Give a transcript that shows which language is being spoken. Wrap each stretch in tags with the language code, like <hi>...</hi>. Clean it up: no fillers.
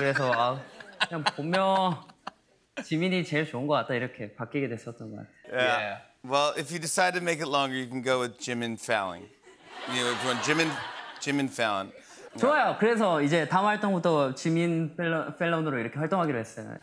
<ko>그래서 그냥 본명 지민이 제일 좋은 것 같다 이렇게 바뀌게 됐었던 것 같아요.</ko> <en>Yeah. Well, if you decide to make it longer, you can go with Jimin Fallon. You know, if you want Jimin Fallon.</en> <ko>좋아요. 그래서 이제 다음 활동부터 지민 펠론으로 이렇게 활동하기로 했어요.</ko>